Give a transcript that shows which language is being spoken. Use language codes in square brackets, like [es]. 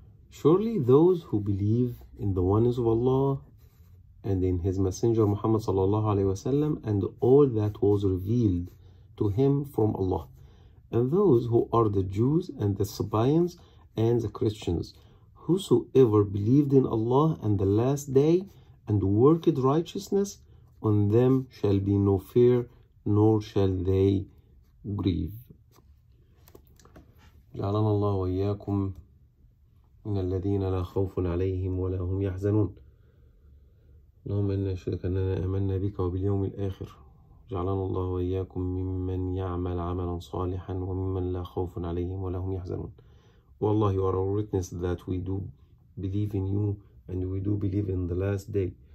[en] Surely those who believe in the oneness of Allah and in his messenger Muhammad sallallahu alaihi wasallam and all that was revealed to him from Allah and those who are the Jews and the Sabaeans and the Christians whosoever believed in Allah and the last day and worked righteousness on them shall be no fear nor shall they grieve. [ar] جعلنا الله وإياكم إن الذين لا خوف عليهم ولا هم يحزنون. اللهم إنا نشهد أننا آمنا بك وباليوم الآخر. جعلنا الله وإياكم ممن يعمل عملا صالحا وممن لا خوف عليهم ولا هم يحزنون. والله [en] you are our witness that we do believe in you and we do believe in the last day.